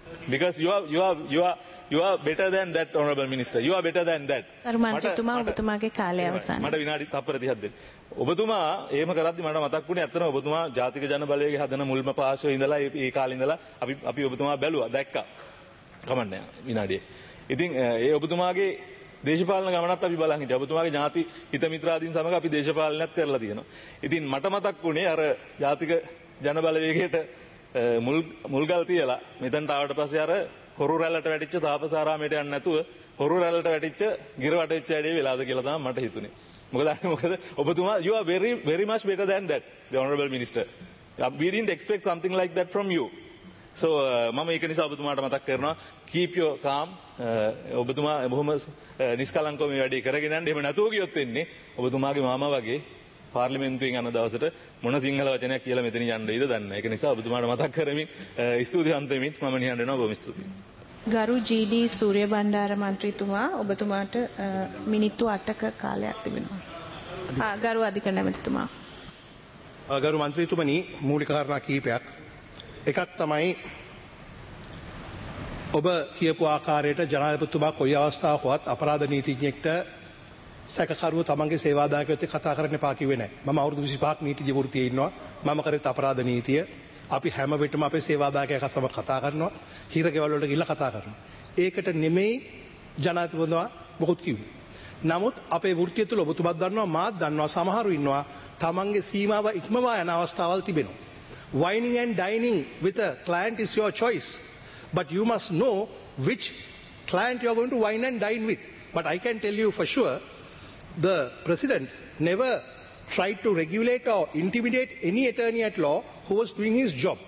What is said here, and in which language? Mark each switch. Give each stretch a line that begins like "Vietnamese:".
English: Because you are better than that honorable minister. You are better than that.
Sinhala: මන්ත්‍රීතුමා ඔබතුමාගේ කාලය අවසන්. මට විනාඩි 30ක් දෙන්න. ඔබතුමා එහෙම කරද්දි මට මතක් වුණේ ඇත්තටම ඔබතුමා ජාතික ජන බලවේගයේ හදන මුල්ම පාර්ශවයේ ඉඳලා ඒ කාලේ ඉඳලා අපි ඔබතුමා බැලුවා දැක්කා. කමන්නේ විනාඩියේ. ඉතින් ඒ ඔබතුමාගේ දේශපාලන ගමනත් අපි බලන් හිටියා. ඔබතුමාගේ ඥාති හිත මිත්‍රාදීන් සමග අපි දේශපාලනයත් කරලා තියෙනවා. ඉතින් මට මතක් වුණේ අර ජාතික ජන බලවේගයට මුල්ගල් තියලා මෙතන්ට ආවට පස්සේ අර හොරු රැල්ලට වැටිච්ච තාපසාරාමයට යන්න නැතුව හොරු රැල්ලට වැටිච්ච ගිරවටෙච්ච ඇඩේ වෙලාද කියලා තමයි මට හිතුනේ. මොකද අනේ මොකද ඔබතුමා
English: you are very very much better than that the honorable minister. We didn't expect something like that from you.
Sinhala: So මම ඒක නිසා ඔබතුමාට මතක් කරනවා
English: keep your calm.
Sinhala: ඔබතුමා බොහොම නිෂ්කලංකව මේ වැඩේ කරගෙන යන්න. එහෙම නැතුව ගියොත් වෙන්නේ ඔබතුමාගේ මාමා වගේ පාර්ලිමේන්තුවෙන් යන දවසට මොන සිංහල වචනයක් කියලා මෙතන යන්නේද දන්නේ. ඒක නිසා ඔබතුමාට මතක් කරමින් ස්තුතිවන්ත වෙමින් මම නිහඬ වෙනවා ඔබ මිස්තුති. ගරු ජී.ඩී. සූර්යබණ්ඩාර මන්ත්‍රීතුමා ඔබතුමාට මිනිත්තු 8ක කාලයක් තිබෙනවා. ගරු අධිකරණ ඇමතිතුමා. ගරු මන්ත්‍රීතුමනි මූලික කාරණා කිහිපයක්. එකක් තමයි ඔබ කියපු ආකාරයට ජනාධිපතිතුමා කොයි අවස්ථාවකවත් අපරාධ නීතිඥෙක්ට සැකකරුව තමන්ගේ සේවාදායකයෙක් කතා කරන්න එපා කිව්වේ නැහැ. මම අවුරුදු 25ක් නීති ජීවෘතියේ ඉන්නවා. මම කරේ අපරාධ නීතිය. අපි හැම වෙිටම අපේ සේවාදායකයා සමග කතා කරනවා. හිරගෙවල් වලට ගිහිල්ලා කතා කරනවා. ඒකට නෙමෙයි ජනාධිපතිතුමා මොකුත් කිව්වේ. නමුත් අපේ වෘත්තිය තුළ ඔබතුමත් දන්නවා මාත් දන්නවා සමහරු ඉන්නවා තමන්ගේ සීමාව ඉක්මවා යන අවස්ථාවල් තිබෙනවා.
English: Wining and dining with a client is your choice, but you must know which client you are going to wine and dine with. But I can tell you for sure, the president never tried to regulate or intimidate any attorney at law who was doing his job.